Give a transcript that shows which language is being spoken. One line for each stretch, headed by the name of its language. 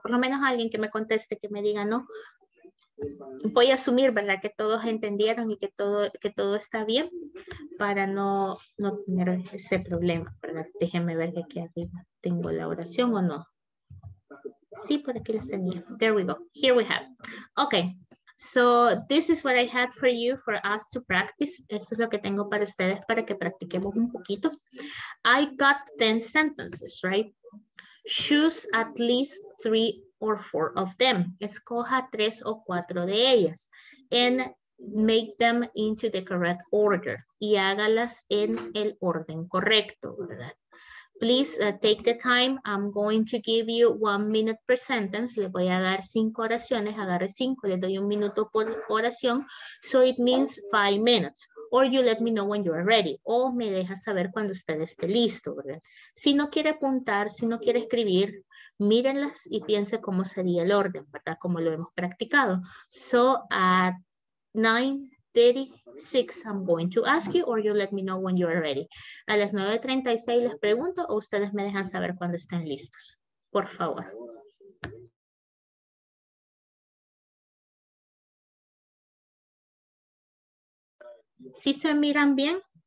Spanish: Por lo menos alguien que me conteste, que me diga no. Voy a asumir, ¿verdad?, que todos entendieron y que todo está bien para no tener ese problema, ¿verdad? Déjenme ver que aquí arriba tengo la oración o no. Sí, por aquí las tenía.
English: There we go. Here we have. Okay. So this is what I had for you, for us to practice.
Spanish: Esto es lo que tengo para ustedes para que practiquemos un poquito.
English: I got 10 sentences, right? Choose at least 3 or 4 of them.
Spanish: Escoja 3 o 4 de ellas.
English: And make them into the correct order.
Spanish: Y hágalas en el orden correcto, ¿verdad?
English: Please take the time. I'm going to give you 1 minute per sentence.
Spanish: Le voy a dar 5 oraciones. Agarre 5. Le doy 1 minuto por oración.
English: So it means 5 minutes. Or you let me know when you are ready.
Spanish: O me deja saber cuando usted esté listo, ¿verdad? Si no quiere apuntar, si no quiere escribir, mírenlas y piense cómo sería el orden, ¿verdad? Como lo hemos practicado.
English: So at 9:36, I'm going to ask you, or you let me know when you are ready.
Spanish: A las 9:36 les pregunto, o ustedes me dejan saber cuando estén listos. Por favor. ¿Sí se miran bien?